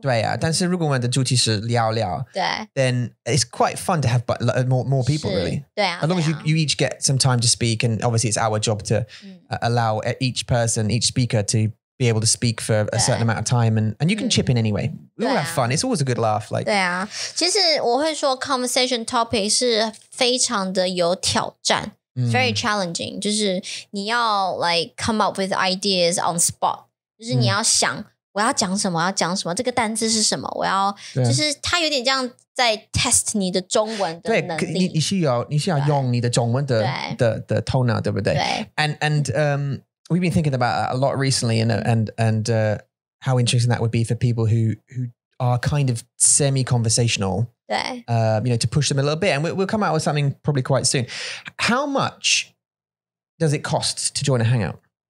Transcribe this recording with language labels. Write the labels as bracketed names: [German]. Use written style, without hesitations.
[Chinese] 对啊，但是如果我们的主题是聊聊，对。 [English] Then it's quite fun to have more people really。 [Chinese] 对啊。 [English] As long as you each get some time to speak, and obviously it's our job to allow each person each speaker to be able to speak for a certain amount of time, and you can chip in anyway. We all have fun. It's always a good laugh. Like, [Chinese] 对啊，其实我会说 [English] conversation topic [Chinese] 是非常的有挑战 [English] very challenging. [Chinese] 就是你要 [English] like come up with ideas on spot. [Chinese] 就是你要想我要讲什么，要讲什么，这个单字是什么，我要就是它有点这样在 test 你的中文的能力。对，你需要用你的中文的头脑，对不对？对 [English] and We've been thinking about that a lot recently, and how interesting that would be for people who are kind of semi-conversational, you know, to push them a little bit. And we'll come out with something probably quite soon. How much does it cost to join a hangout?